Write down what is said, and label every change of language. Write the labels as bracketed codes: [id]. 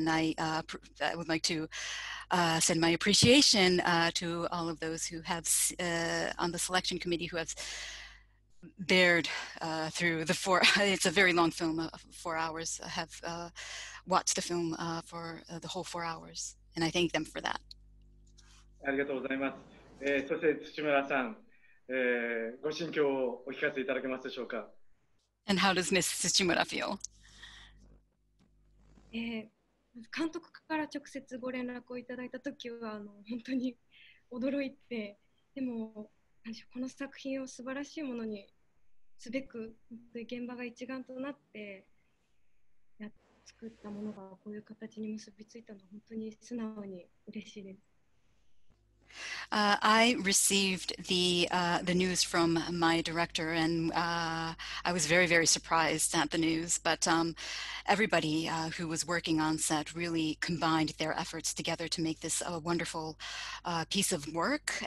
[en] And I would like to send my appreciation to all of those who have on the selection committee who have bared through the four. It's a very long film, 4 hours. Watch the film for the whole 4 hours, and I thank them for that. [ja] ありがとうございます。そして土村さん、ご心境をお聞かせいただけますでしょうか。 [en] And how does Miss Tsuchimura feel? [ja] 監督から直接ご連絡をいただいたときは本当に驚いて、でもこの作品を素晴らしいものにすべく現場が一丸となって作ったものがこういう形に結びついたの本当に素直に嬉しいです。 [en] I received the news from my director, and I was very, very surprised at the news. But everybody who was working on set really combined their efforts together to make this a wonderful piece of work.